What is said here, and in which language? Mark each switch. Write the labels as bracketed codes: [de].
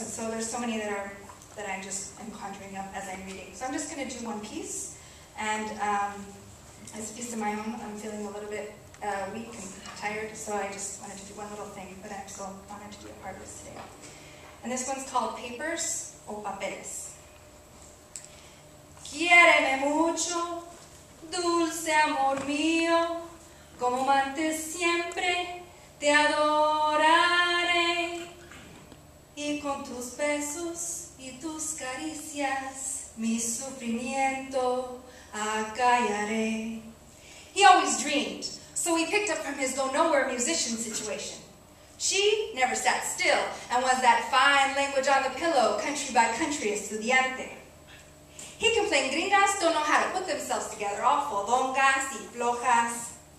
[en] And so there's so many that I'm just conjuring up as I'm reading. So I'm just gonna do one piece, and as a piece of my own, I'm feeling a little bit weak and tired, so I just wanted to do one little thing, but I'm so honored to be a part of this today. And this one's called Papers o Papeles. [es] Quiéreme mucho, dulce amor mío, como antes siempre te adoraré, y con tus besos y tus caricias, mi sufrimiento acallaré. [en] He always dreamed, so he picked up from his go-nowhere musician situation. She never sat still, and was that fine language on the pillow, country by country, estudiante. He complained gringas don't know how to put themselves together, awful, [es] dongas y flojas.